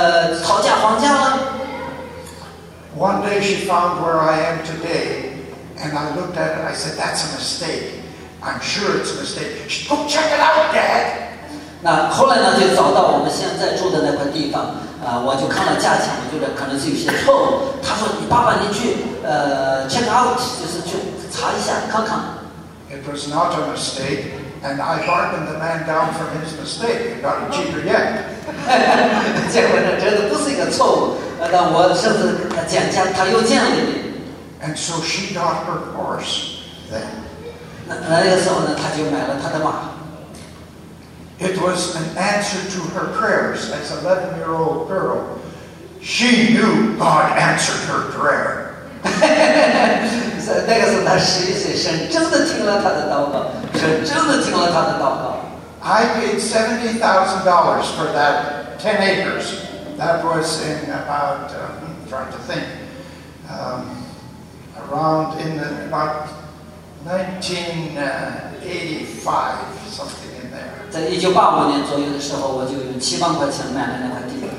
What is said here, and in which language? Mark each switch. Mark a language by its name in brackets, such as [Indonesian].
[Chinese] 他就看看这个家说，爸爸是不是太贵了？我说当然是太贵了。他说那你就去讨价还价了。 [English] One day she found where I am today, and I looked at it. I said, "That's a mistake. I'm sure it's a mistake." She said, "Go check it out, Dad." [Chinese] 那后来呢，就找到我们现在住的那块地方，我就看了价钱，我觉得可能是有些错误。他说，你爸爸你去check out 就是去。查一下，看看。 [English] It was not a mistake, and I bargained the man down for his mistake. Got it cheaper yet. [Chinese] 结果呢，真的不是一个错误。那我甚至讲价，他又降了一点。 [English] And so she got her horse then. [Chinese] 那个时候呢, 她就买了她的马。 [English] It was an answer to her prayers as an 11-year-old girl. She knew God answered her prayer. [Chinese] 那个时候她11岁生,真的听了她的祷告,真的听了她的祷告。 [English] I paid $70,000 for that 10 acres. That was in about, I'm trying to think, around in the, about 1985, something in there.